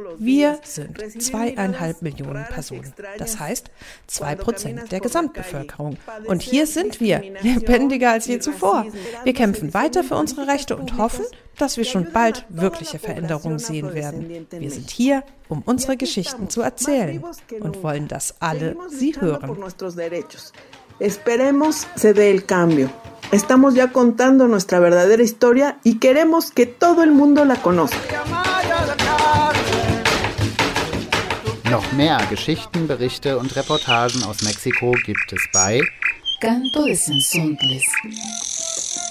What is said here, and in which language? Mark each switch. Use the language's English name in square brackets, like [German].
[German] Wir sind 2,5 Millionen Personen, das heißt 2% der Gesamtbevölkerung. Und hier sind wir, lebendiger als je zuvor. Wir kämpfen weiter für unsere Rechte und hoffen, dass wir schon bald wirkliche Veränderungen sehen werden. Wir sind hier, um unsere Geschichten zu erzählen und wollen, dass alle sie hören. [Spanish] Esperemos se dé el cambio. Estamos ya contando nuestra verdadera historia y queremos que todo el mundo la conozca. [German] Noch mehr Geschichten, Berichte und Reportagen aus Mexiko gibt es bei Canto des Insontles.